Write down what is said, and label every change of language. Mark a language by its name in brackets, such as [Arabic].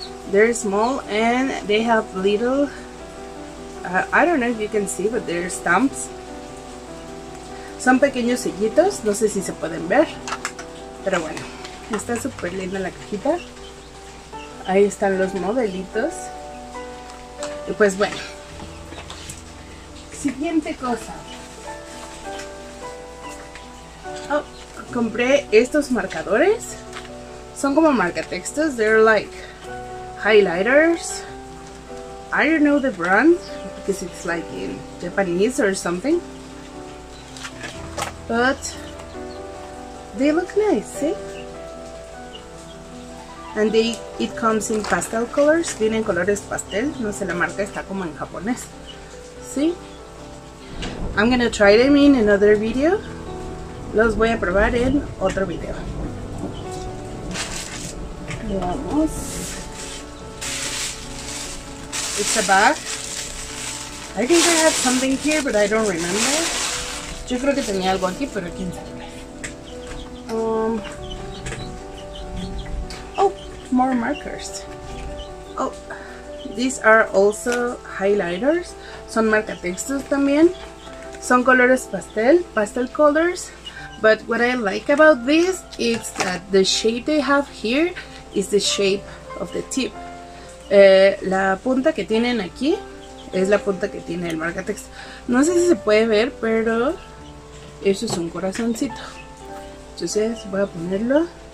[English] They're small and they have little, I don't know if you can see, but they're stamps. [Spanish] Son pequeños sellitos, no sé si se pueden ver, pero bueno, está súper linda la cajita. Ahí están los modelitos. Y pues bueno, siguiente cosa. Oh, compré estos marcadores. Son como marcatextos, [English] they're like highlighters. I don't know the brand because it's like in Japanese or something, but they look nice, see? And it comes in pastel colors. [Spanish] Vienen colores pastel. No sé, la marca está como en japonés. [English] See? I'm gonna try them in another video. [Spanish] Los voy a probar en otro video. Vamos. [English] It's a bag. I think I have something here, but I don't remember. [Spanish] Yo creo que tenía algo aquí, pero quién sabe. [English] Oh, more markers. Oh, these are also highlighters. [Spanish] Son marcatextos también. Son colores pastel, [English] pastel colors. But what I like about this is that the shape they have here is the shape of the tip. [Spanish] La punta que tienen aquí es la punta que tiene el marcatex. No sé si se puede ver, pero eso es un corazoncito. Entonces voy a ponerlo.